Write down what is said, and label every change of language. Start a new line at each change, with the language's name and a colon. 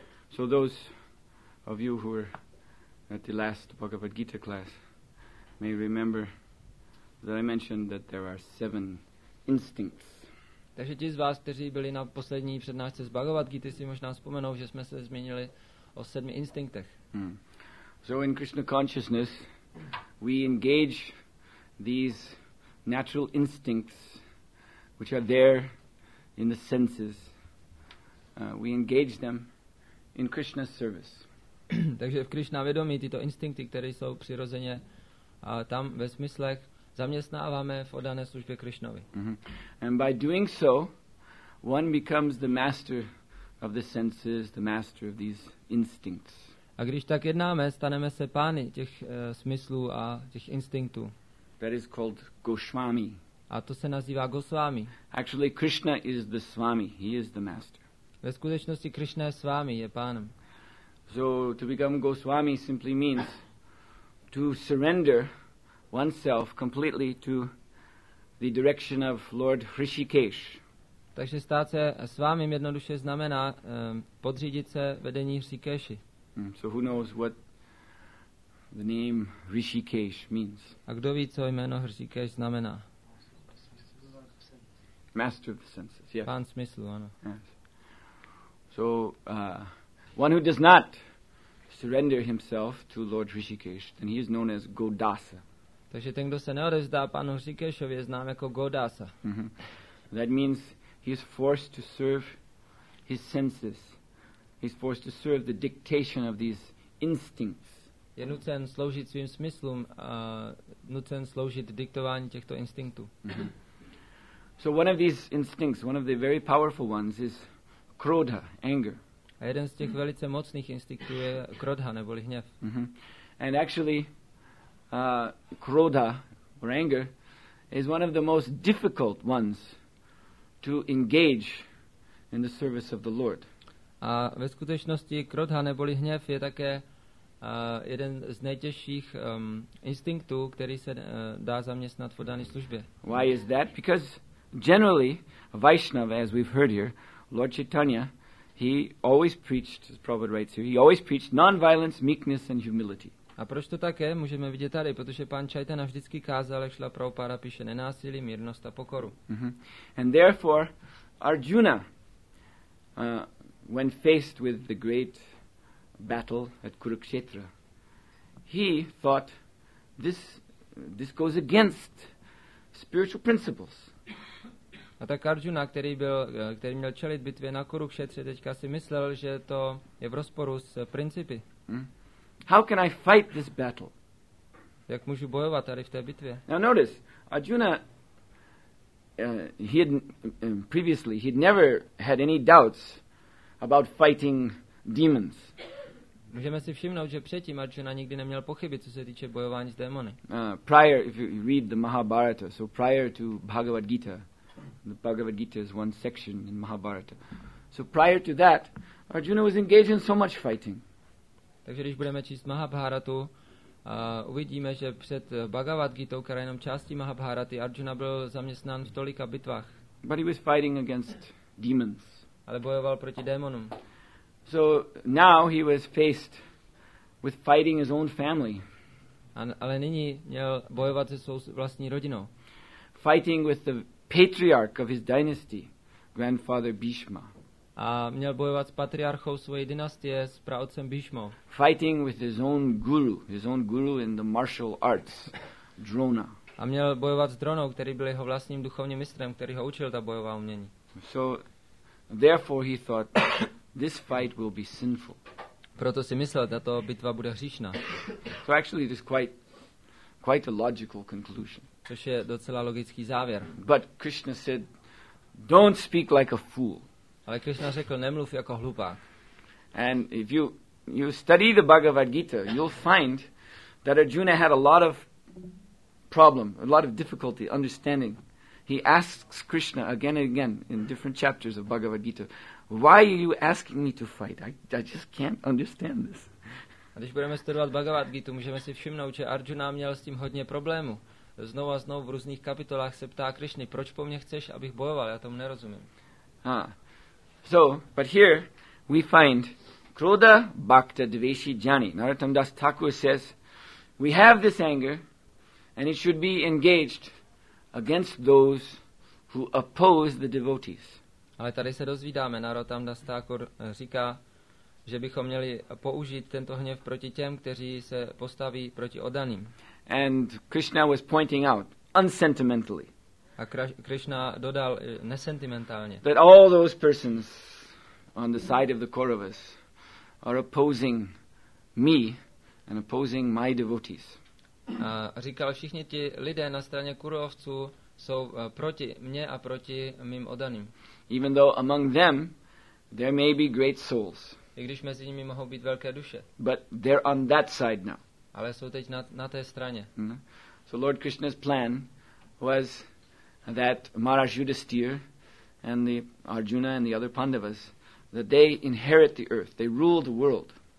English: So those of you who were at the last Bhagavad Gita class may remember that I mentioned that there are 7 instincts.
Czech: Takže ti z vás, kteří byli na poslední přednášce z Bhagavad Gita, si možná vzpomenou, že jsme se zmínili o 7 instinktech.
English: So in Krishna consciousness, we engage these natural instincts which are there in the senses, we engage them in Krishna's service.
Czech: Takže v Krishna vědomí tyto instinkty, které jsou přirozeně tam ve smyslech, zaměstnáváme v oddané službě Krishnovi.
English: And by doing so, one becomes the master of the senses, the master of these instincts.
Czech: A když tak jednáme, staneme se pány těch smyslů a těch instinktů.
English: That is called Goswami.
Czech: A to se nazývá Goswami.
English: Actually, Krishna is the Swami. He is the master.
Czech: Ve skutečnosti Krishna je Swami, je pánem.
English: So to become Goswami simply means to surrender oneself completely to the direction of Lord Hrishikesh.
Czech: Takže stát se Swami jednoduše znamená podřídit se vedení Hrishikeshi.
English: So who knows what the name Hrishikesh means?
Czech: A kdo ví, co jméno Hrishikesh znamená?
English: Master of the senses, yes.
Czech: Pán smyslu, ano.
English: Yes. So, one who does not surrender himself to Lord Hrishikesh, then he is known as Godasa.
Czech: Takže ten, kdo se neodevzdá panu Hrishikeshovi, je znám jako Godasa.
English: That means he is forced to serve his senses. He is forced to serve the dictation of these instincts.
Czech: Je nucen sloužit svým smyslům, nucen sloužit diktování těchto instinktů.
English: So one of these instincts, one of the very powerful ones, is krodha, anger.
Czech: A jeden z těch velice mocných instinktů je krodha, neboli hněv.
English: And actually, krodha, or anger, is one of the most difficult ones to engage in the service of the Lord.
Czech: A ve skutečnosti krodha, neboli hněv, je také jeden z nejtěžších instinktů, který se dá zaměstnat v dané službě.
English: Why is that? Because generally Vaishnava, as we've heard here, Lord Chaitanya, he always preached, as Prabhupada writes here, he always preached non-violence, meekness and humility.
Czech: A proč to také můžeme vidět tady, protože pan Chaitanya vždycky kázal, jak šla Prabhupada píše, nenásilí, mírnost a pokoru.
English: And therefore Arjuna, when faced with the great battle at Kurukshetra, he thought this goes against spiritual principles.
Czech: A tak Arjuna, který měl čelit bitvě na Kurukshetře, teďka si myslel, že to je v rozporu s principy.
English: How can I fight this battle?
Czech: Jak můžu bojovat tady v té bitvě?
English: Now notice, Arjuna, he'd never had any doubts about fighting demons.
Czech: Můžeme si všimnout, že předtím Arjuna nikdy neměl pochyby, co se týče bojování s démony.
English: Prior, if you read the Mahabharata, so prior to Bhagavad Gita, the Bhagavad Gita is one section in Mahabharata. So prior to that, Arjuna was engaged in so much fighting.
Czech: Takže když budeme číst Mahabharatu, uvidíme, že před Bhagavad Gitou, která je jenom částí Mahabharaty, Arjuna byl zaměstnán v tolika bitvách.
English: But he was fighting against demons.
Czech: Ale bojoval proti démonům.
English: So now he was faced with fighting his own family.
Czech: Ale nyní měl bojovat se svou vlastní rodinou.
English: Fighting with the patriarch of his dynasty, grandfather Bhishma.
Czech: A měl bojovat s patriarchou své dynastie, s praotcem Bhishmou.
English: Fighting with his own guru in the martial arts, Drona.
Czech: A měl bojovat s Dronou, který byl jeho vlastním duchovním mistrem, který ho učil ta bojová umění.
English: So therefore he thought this fight will be sinful.
Czech: Proto si myslel, že tato bitva bude hříšná.
English: So actually this quite a logical conclusion.
Czech: Což je docela logický závěr.
English: But Krishna said, don't speak like a fool.
Czech: Ale Krishna řekl, nemluv jako hlupák.
English: And if you study the Bhagavad Gita, you'll find that Arjuna had a lot of difficulty understanding. He asks Krishna again and again in different chapters of Bhagavad Gita, why are you asking me to fight? I just can't understand this.
Czech: A když budeme studovat Bhagavad Gitu, můžeme si všimnout, že Arjuna měl s tím hodně problémů. Znovu a znovu v různých kapitolách se ptá Krišny, proč po mně chceš, abych bojoval? Já tomu nerozumím.
English: So, but here we find Krodha Bhakta Dveshi Jani. Narottam Das Thakur says, we have this anger and it should be engaged against those who oppose the devotees.
Czech: Ale tady se dozvídáme, Narottam Das Thakur říká, že bychom měli použít tento hněv proti těm, kteří se postaví proti oddaným.
English: And Krishna was pointing out unsentimentally.
Czech: A Krishna dodal nesentimentálně.
English: That all those persons on the side of the Kauravas are opposing me and opposing my devotees.
Czech: A říkal, všichni ti lidé na straně Kurovců jsou proti mně a proti mým oddaným.
English: Even though among them there may be great souls.
Czech: I když mezi nimi mohou být velké duše.
English: But they're on that side now.
Czech: Ale jsou teď na té straně.
English: So Lord Krishna's plan was that Maharaj Yudhisthira and the Arjuna and the other Pandavas, that they inherit the earth, they rule the world.